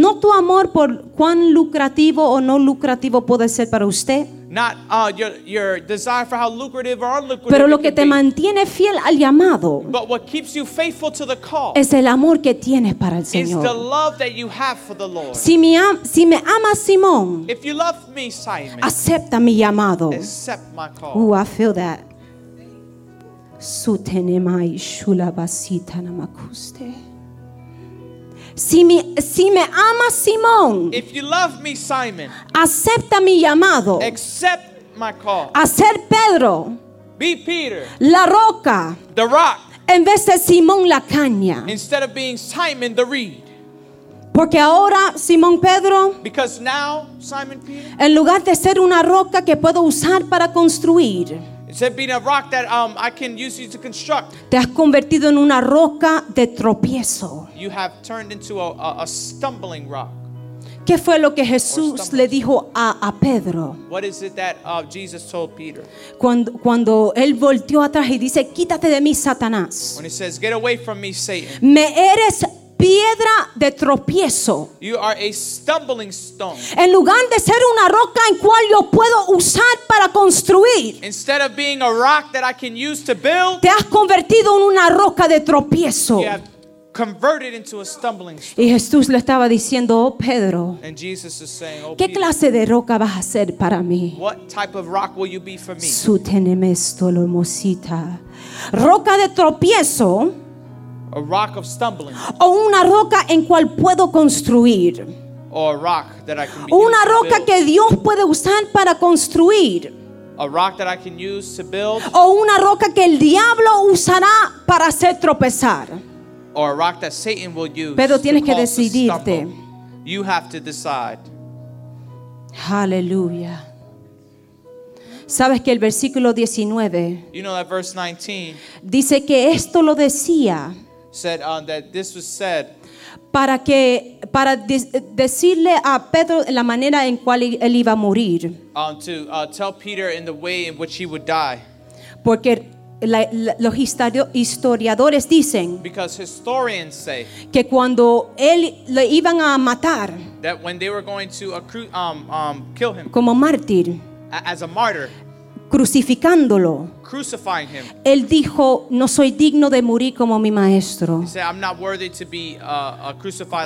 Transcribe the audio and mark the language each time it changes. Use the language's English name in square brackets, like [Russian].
[Spanish] No tu amor por cuán lucrativo o no lucrativo puede ser para usted. [English] Not your desire for how lucrative or unlucrative. [Spanish] Pero lo que te mantiene fiel al llamado, [English] but what keeps you faithful to the call, [Spanish] es el amor que tienes para el Señor. [English] Is the love that you have for the Lord. [Spanish] Si me amas, Simón, [English] if you love me, Simon, [Spanish] acepta mi llamado. [English] Accept my call. Ooh, I feel that. Sutenemai shulabasita namakuste. [Spanish] Si me amas, Simón, [English] if you love me, Simon, [Spanish] acepta mi llamado. [English] Accept my call. [Spanish] A ser Pedro. [English] Be Peter. [Spanish] La roca. [English] The rock. [Spanish] en vez de Simón la caña. [English] Instead of being Simon the reed. [Spanish] Porque ahora Simón Pedro, [English] because now Simon Peter, [Spanish] en lugar de ser una roca que puedo usar para construir, [English] instead of being a rock that I can use you to construct, [Spanish] te has convertido en una roca de tropiezo. [English] You have turned into a stumbling rock. [Spanish] ¿Qué fue lo que Jesús le dijo a Pedro? [English] What is it that Jesus told Peter? [Spanish] Cuando él volteó atrás y dice, quítate de mí, Satanás. [English] When he says, get away from me, Satan. [Spanish] Me eres piedra de tropiezo. [English] You are a stumbling stone. [Spanish] En lugar de ser una roca en cual yo puedo usar para construir, [English] instead of being a rock that I can use to build, [Spanish] te has convertido en una roca de tropiezo. [English] Converted into a stumbling stone. [Spanish] Y Jesús le estaba diciendo, oh Pedro, [English] and Jesus is saying, oh, [Spanish] ¿qué [English] Peter, [Spanish] clase de roca vas a ser para mí? [English] What type of rock will you be for me? [Spanish] Sútenme esto, lo hermosita. Roca de tropiezo. [English] A rock of stumbling. [Spanish] O una roca en cual puedo construir. [English] Or a rock that I can [Spanish] use. Una roca [English] to build. [Spanish] Que Dios puede usar para construir. [English] A rock that I can use to build. [Spanish] O una roca que el diablo usará para hacer tropezar. [English] Or a rock that Satan will use. [Spanish] Pero tienes que decidirte. [English] You have to decide. [Spanish] Hallelujah. Sabes que el versículo 19, [English] you know that verse 19 [Spanish] dice que esto lo decía, [English] said that this was said [Spanish] para decirle a Pedro la manera en cual él iba a morir. [English] Tell Peter in the way in which he would die. [Spanish] Porque los historiadores dicen, [English] because historians say, [Spanish] que cuando él le iban a matar, [English] that when they were going to kill him, [Spanish] como mártir, [English] as a martyr, [Spanish] crucificándolo, [English] crucifying him, [Spanish] él dijo, no soy digno de morir como mi maestro. [English] He said, I'm not worthy to be crucified.